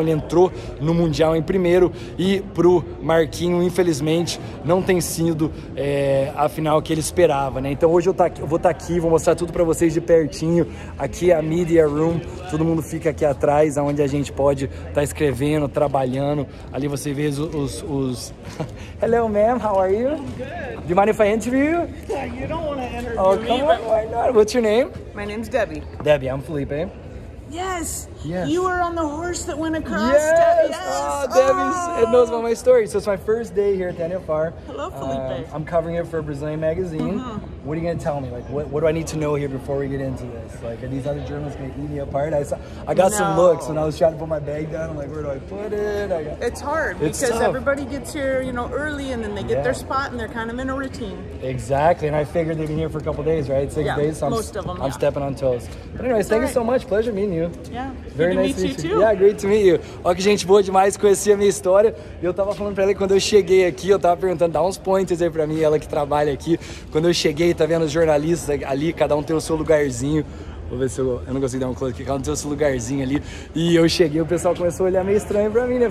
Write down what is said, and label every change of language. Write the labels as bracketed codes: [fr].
[pt] Ele entrou no mundial em primeiro, e pro Marquinho, infelizmente, não tem sido a final que ele esperava, né? Então hoje eu vou estar aqui, vou mostrar tudo para vocês de pertinho. Aqui é a Media Room, todo mundo fica aqui atrás, aonde a gente pode estar escrevendo, trabalhando. Ali você vê os... [en] Hello, ma'am, how are you? I'm good. Do you mind if I interview you? Yeah, you don't want to interview me. Oh, come on, why not? What's your name? My name's Debbie. Debbie, I'm Felipe. Yes. Yes. You were on the horse that went across. Yes. Debbie's, it knows about my story. So it's my first day here at the NFR. Hello, Felipe. I'm covering it for a Brazilian magazine. Mm-hmm. What are you going to tell me? Like, what do I need to know here before we get into this? Like, are these other journalists going to eat me apart? I got some looks when I was trying to put my bag down. I'm like, where do I put it? It's hard because everybody gets here, you know, early, and then they get their spot and they're kind of in a routine. Exactly. And I figured they've been here for a couple days, right? Six days. So most of them. I'm stepping on toes. But anyways, thank you so much. Pleasure meeting you. Yeah. Very nice to meet you too. Yeah, great to meet you. [pt] Ó, que gente boa demais, conheci a minha história. E eu tava falando pra ela que quando eu cheguei aqui, eu tava perguntando, dá uns pointers aí pra mim, ela que trabalha aqui. Quando eu cheguei, tá vendo os jornalistas ali, cada um tem o seu lugarzinho. Vou ver se eu não consigo dar um close aqui, cada um tem o seu lugarzinho ali. E eu cheguei, o pessoal começou a olhar meio estranho pra mim, né?